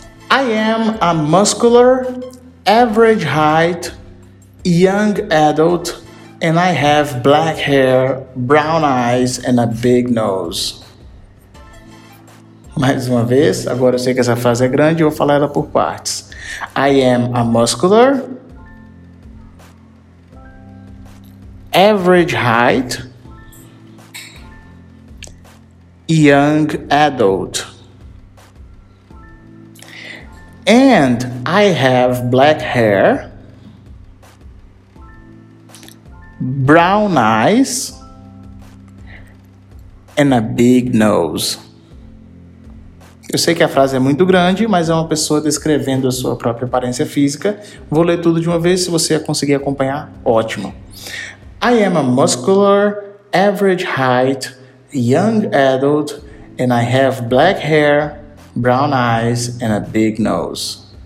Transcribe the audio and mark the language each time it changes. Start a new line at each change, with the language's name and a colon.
English: I am a muscular, average height, young adult, and I have black hair, brown eyes, and a big nose.
Portuguese: Mais uma vez, agora eu sei que essa frase é grande, eu vou falar ela por partes.
English: I am a muscular, average height, young adult, and I have black hair, brown eyes, and a big nose.
Portuguese: Eu sei que a frase é muito grande, mas é uma pessoa descrevendo a sua própria aparência física. Vou ler tudo de uma vez, se você conseguir acompanhar, ótimo.
English: I am a muscular, average height, young adult, and I have black hair, brown eyes, and a big nose.